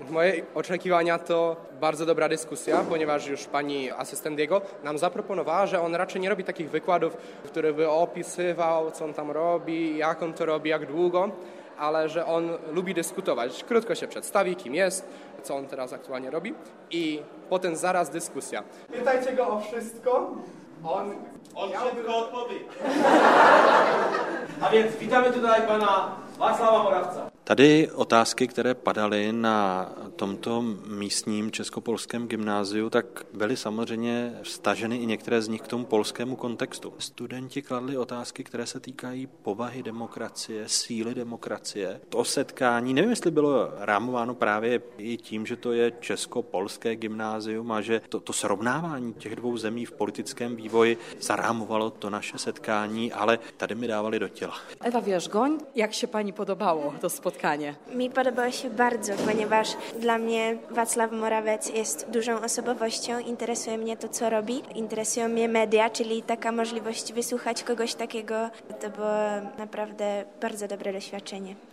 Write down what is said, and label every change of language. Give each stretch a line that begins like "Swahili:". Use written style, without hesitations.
Polish: Moje oczekiwania to bardzo dobra dyskusja, ponieważ już pani asystent jego nam zaproponowała, że on raczej nie robi takich wykładów, który by opisywał, co on tam robi, jak on to robi, jak długo, ale że on lubi dyskutować. Krótko się przedstawi, kim jest, co on teraz aktualnie robi i potem zaraz dyskusja. Pytajcie go o wszystko. On szybko odpowie. A więc witamy tutaj pana Václava Moravca.
Czech: Tady otázky, které padaly na tomto místním českopolském gymnáziu, tak byly samozřejmě vztaženy i některé z nich k tomu polskému kontextu. Studenti kladli otázky, které se týkají povahy demokracie, síly demokracie. To setkání, nevím, jestli bylo rámováno právě i tím, že to je česko-polské gymnázium a že to srovnávání těch dvou zemí v politickém vývoji zarámovalo to naše setkání, ale tady mi dávali do těla. Eva Wierzgoń, jak se paní podobalo to spotkanie?
Polish: Mi podobało się bardzo, ponieważ dla mnie Wacław Morawiec jest dużą osobowością. Interesuje mnie to, co robi. Interesują mnie media, czyli taka możliwość wysłuchać kogoś takiego. To było naprawdę bardzo dobre doświadczenie.